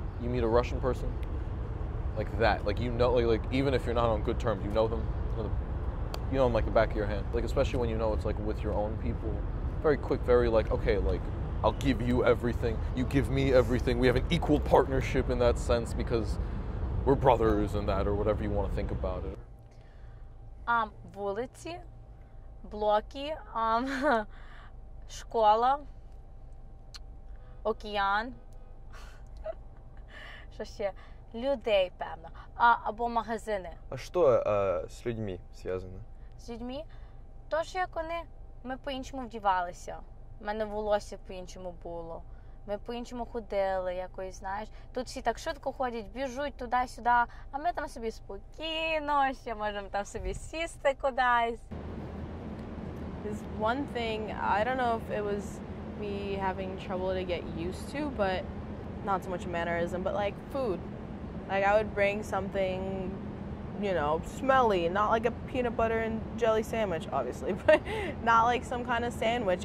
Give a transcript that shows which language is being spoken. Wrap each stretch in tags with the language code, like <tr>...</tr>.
<en>You meet a Russian person, like that, like, you know, like even if you're not on good terms, you know them, you know them like the back of your hand. Like, especially when you know it's, like, with your own people. Very quick, very, like, okay, like, I'll give you everything, you give me everything, we have an equal partnership in that sense, because we're brothers and that, or whatever you want to think about it.</en> <uk>Вулиці, блоки, школа, океан, що ще, людей, певно, або магазини. А що з людьми зв'язано? З людьми? То, що як вони, ми по-іншому вдівалися, в мене волосся по-іншому було. Ми по-іншому ходили якось, знаєш. Тут всі так швидко ходять, біжуть туди-сюди, а ми там собі спокійно, ще можемо там собі сісти кудись.</uk> <en>This one thing, I don't know if it was me having trouble to get used to, but not so much mannerism, but like food. Like I would bring something, you know, smelly, not like a peanut butter and jelly sandwich, obviously, but not like some kind of sandwich.</en>